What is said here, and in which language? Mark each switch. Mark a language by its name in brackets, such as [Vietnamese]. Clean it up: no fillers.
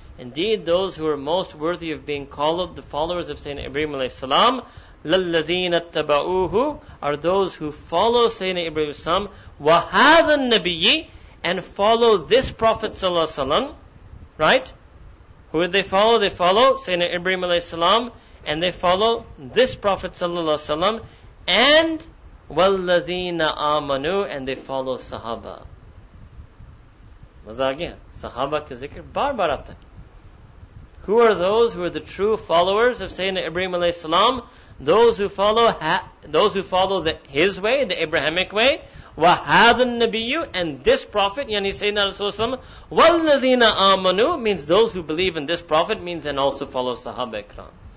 [English] Indeed, those who are most worthy of being called the followers of Sayyidina Ibrahim alayhi salam, [Arabic] لَلَّذِينَ اتَّبَعُوهُ [English] are those who follow Sayyidina Ibrahim alayhi salam, [Arabic] وَهَذَا النَّبِيِّ [English] and follow this Prophet sallallahu alaihi wasallam, right? Who did they follow? They follow Sayyidina Ibrahim alayhi salam, and they follow this Prophet sallallahu alaihi wasallam, and [Arabic] وَالَّذِينَ آمَنُوا [English] and they follow Sahaba. [Urdu] مزاج گیا Sahaba کا ذکر بار بار آتا ہے. [English] Who are those who are the true followers of Sayyidina Ibrahim alayhi salam? Those who follow his way, the Abrahamic way. [Arabic] وَهَذَا النَّبِيُّ [English] and this Prophet, yani Sayyidina Rasulullah, [Arabic] وَالَّذِينَ آمَنُوا [English] means those who believe in this Prophet, means and also follow Sahaba Ikram.